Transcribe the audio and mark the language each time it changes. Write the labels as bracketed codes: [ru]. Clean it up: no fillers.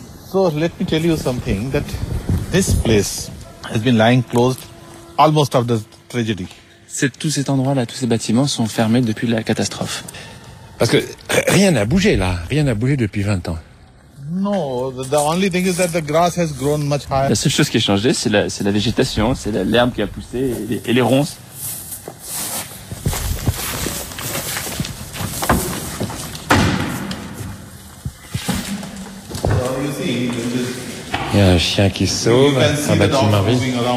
[en] So let me tell you something, that this place has been lying closed almost after the tragedy. [fr] C'est tout cet endroit là, tous ces bâtiments sont fermés depuis la catastrophe. Parce que rien n'a bougé là, rien n'a bougé depuis 20 ans. [en] No, the only thing is that the grass has grown much higher. [fr] La seule chose qui a changé, c'est la végétation, c'est l'herbe qui a poussé et les ronces. Il y a un chien qui se sauve, un bâtiment vide.